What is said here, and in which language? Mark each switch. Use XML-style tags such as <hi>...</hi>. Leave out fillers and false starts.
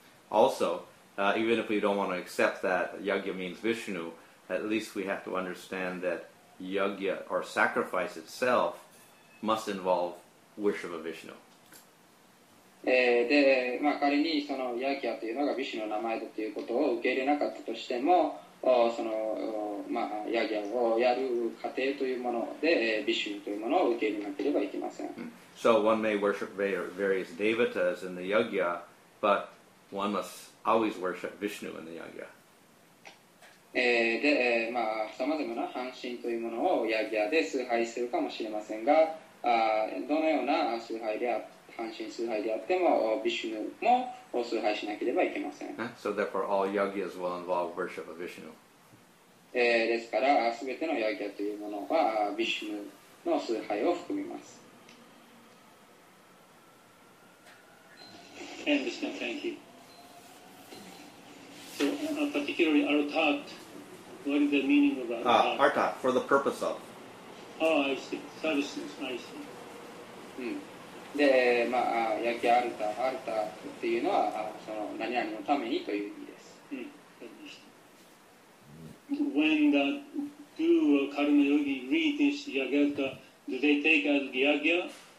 <en>Also, even if we don't want to accept that yagya means Vishnu, at least we have to understand that yagya or sacrifice itself must involve worship of Vishnu.</en> <ja>で、仮にそのヤギャというのがヴィシュヌの名前だということを受け入れなかったとしても、ヤギャをやる過程というもので、ヴィシュヌというものを受け入れなければいけません。</ja> <en>So one may worship various devatas in the yagya, but one must always worship Vishnu in the yagya.</en> <ja>で、さまざまな半身というものをヤギャで崇拝するかもしれませんが、どのような崇拝であ、半身崇拝であっても、ヴィシュヌも崇拝しなければいけません。</ja> <en>So therefore, all yagyas will involve worship of Vishnu.</en> <ja>ですから、すべてのヤギャというものはヴィシュヌの崇拝を含みます。</ja> <en>Understand? Thank you. So, particularly artat, what is the meaning of artat? Ah, artat, for the purpose of. Oh, I see. Services, I see.</en> <ja>で、ヤギアルタ、アルタっていうのは、その何々のためにという意味です。</ja> <en>When the do karma yogi read this yagyarta, do they take as yagya?</en>